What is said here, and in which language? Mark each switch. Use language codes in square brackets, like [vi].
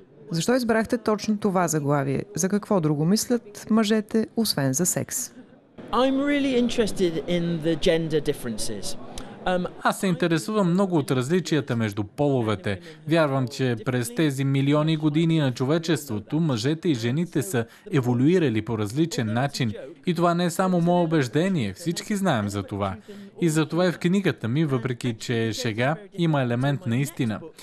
[bg] Защо избрахте точно това заглавие? За какво друго мислят мъжете, освен за секс? [en] I'm really interested in the gender differences. [bg] Аз се интересувам много от различията между половете. Вярвам, че през тези милиони години на човечеството мъжете и жените са еволюирали по различен начин И това не е само мое убеждение, всички знаем за това. И за това е в книгата ми, въпреки че шега има елемент на истина.